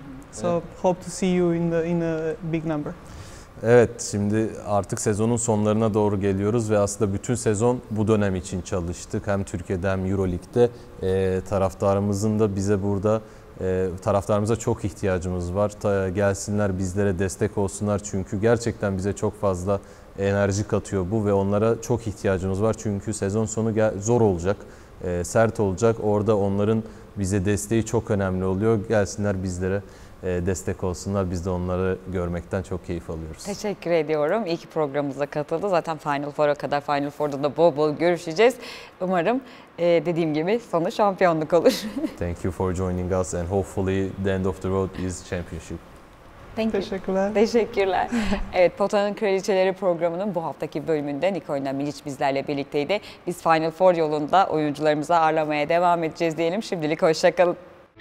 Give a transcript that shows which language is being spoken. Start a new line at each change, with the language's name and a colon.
English: So hope to see you in a big number.
Turkish: Evet, şimdi artık sezonun sonlarına doğru geliyoruz ve aslında bütün sezon bu dönem için çalıştık. Hem Türkiye'de hem Euroleague'de taraftarımızın da bize burada taraftarımıza çok ihtiyacımız var. Gelsinler bizlere destek olsunlar çünkü gerçekten bize çok fazla enerji katıyor bu ve onlara çok ihtiyacımız var çünkü sezon sonu zor olacak, sert olacak. Orada onların bize desteği çok önemli oluyor. Gelsinler bizlere destek olsunlar. Biz de onları görmekten çok keyif alıyoruz. Teşekkür ediyorum. İyi ki programımıza katıldı. Zaten Final Four'a kadar Final Four'da da bol bol görüşeceğiz. Umarım dediğim gibi sonu şampiyonluk olur.
English: Thank you for joining us and hopefully the end of the road is championship. Thank you.
Turkish: Teşekkürler. Teşekkürler. Evet, Potanın Kraliçeleri programının bu haftaki bölümünde Nikolina Milic bizlerle birlikteydi. Biz Final Four yolunda oyuncularımızı ağırlamaya devam edeceğiz diyelim. Şimdilik hoşça kalın.